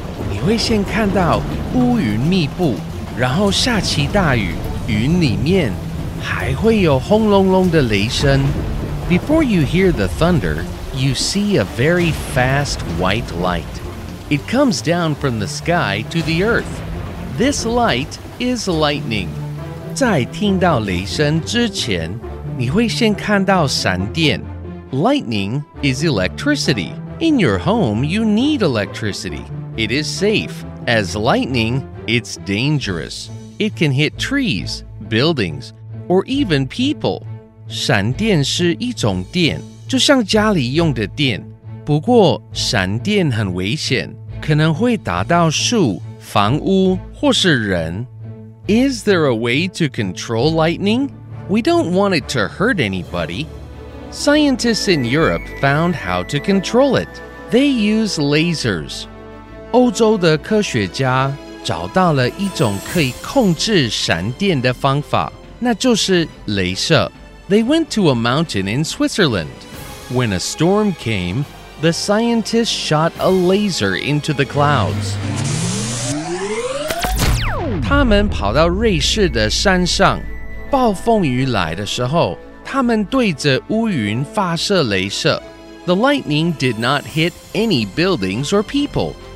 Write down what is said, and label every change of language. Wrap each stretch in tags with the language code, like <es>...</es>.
<zh>你会先看到乌云密布，然后下起大雨，云里面还会有轰隆隆的雷声。</zh> <en>Before you hear the thunder, you see a very fast white light. It comes down from the sky to the earth. This light is lightning.</en> <zh>在听到雷声之前，你会先看到闪电。</zh> <en>Lightning is electricity. In your home, you need electricity. It is safe. As lightning, it's dangerous. It can hit trees, buildings, or even people.</en> <zh>闪电是一种电，就像家里用的电。不过，闪电很危险，可能会打到树、房屋或是人。</zh> <en>Is there a way to control lightning? We don't want it to hurt anybody. Scientists in Europe found how to control it. They use lasers.</en> <zh>欧洲的科学家找到了一种可以控制闪电的方法，那就是雷射。</zh> <en>They went to a mountain in Switzerland. When a storm came, the scientists shot a laser into the clouds.</en> <zh>他们跑到瑞士的山上，暴风雨来的时候，他们对着乌云发射雷射。</zh> <en>The lightning did not hit any buildings or people.</en>